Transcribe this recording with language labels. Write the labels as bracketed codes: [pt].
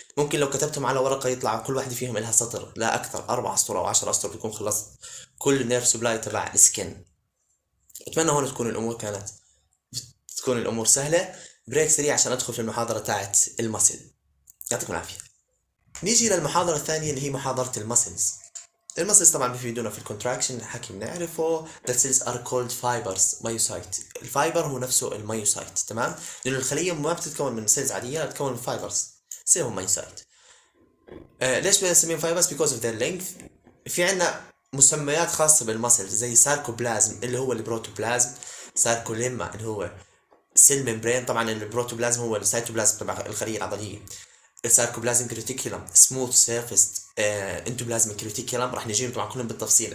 [ar] ممكن لو كتبتهم على ورقه يطلع كل واحده فيهم لها سطر لا اكثر، 4 سطور او 10 اسطر، بكون خلصت كل نيرف سبلاي تبع السكن. اتمنى هون تكون الامور كانت تكون الامور سهله. بريك سريع عشان ادخل في المحاضره تاعت المسل. يعطيكم العافيه. نيجي للمحاضره الثانيه اللي هي محاضره المسلز. المسلز طبعا بيفيدونا في الكونتراكشن، الحكي بنعرفه. [en] The cells are called fibers, myocyte. [ar] الفايبر هو نفسه الميوسايت، تمام؟ لأنه الخلية ما بتتكون من سيلز عادية، بتتكون من فايبرز. سيلهم ميوسايت. ليش بنسميهم فايبرز؟ [en] Because of their length. [ar] في عندنا مسميات خاصة بالمسلز زي ساركوبلازم اللي هو البروتوبلازم، ساركوليما اللي هو سيل ممبرين، طبعا البروتوبلازم هو السيتوبلازم تبع الخلية العضلية. الساركوبلازمك ريتيكولم، سموث سيرفيس، انتوبلازمك ريتيكولم، راح نجيهم طبعا كلهم بالتفصيل.